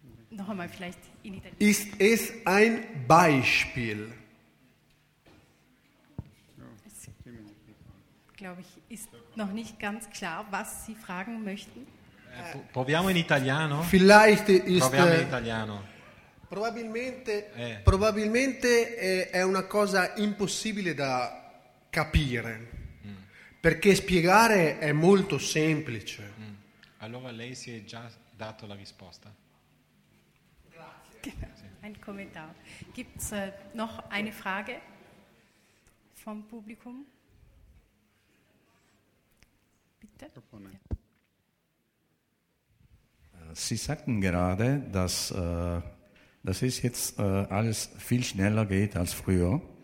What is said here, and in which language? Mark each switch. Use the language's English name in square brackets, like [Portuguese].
[German] Noch einmal vielleicht in Italien. Ist es ein Beispiel? Es, glaube ich, ist noch nicht ganz klar, was Sie fragen möchten. [Italian] Proviamo in Italiano. [German] Vielleicht ist... [Italian] Proviamo in Italiano. Probabilmente è una cosa impossibile da capire, perché spiegare è molto semplice. Allora lei si è già dato la risposta. Grazie. [German] Ein Kommentar. Gibt's noch eine Frage vom Publikum? Bitte. Propone. Sie sagten gerade, dass dass es jetzt alles viel schneller geht als früher.